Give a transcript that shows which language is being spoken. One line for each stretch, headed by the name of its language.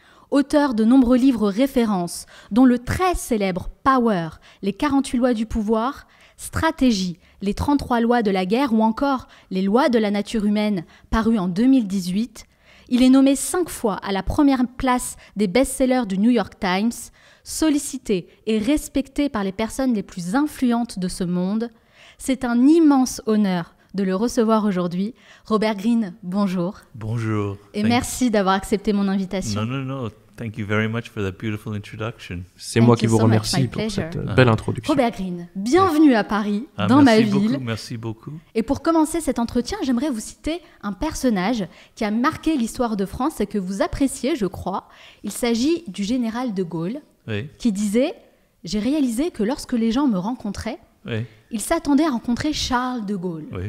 French: Auteur de nombreux livres références, dont le très célèbre Power, les 48 lois du pouvoir, Stratégie, les 33 lois de la guerre ou encore les lois de la nature humaine, paru en 2018, il est nommé 5 fois à la première place des best-sellers du New York Times, sollicité et respecté par les personnes les plus influentes de ce monde. C'est un immense honneur de le recevoir aujourd'hui. Robert Greene, bonjour. Bonjour. Et merci d'avoir accepté mon invitation.
English: Thank you very much for that beautiful introduction.
French: C'est moi qui vous remercie pour cette belle introduction. Robert Greene, bienvenue à Paris, dans ma ville. Merci beaucoup. Et pour commencer cet entretien, j'aimerais vous citer un personnage qui a marqué l'histoire de France et que vous appréciez, je crois. Il s'agit du général de Gaulle, qui disait « J'ai réalisé que lorsque les gens me rencontraient, ils s'attendaient à rencontrer Charles de Gaulle.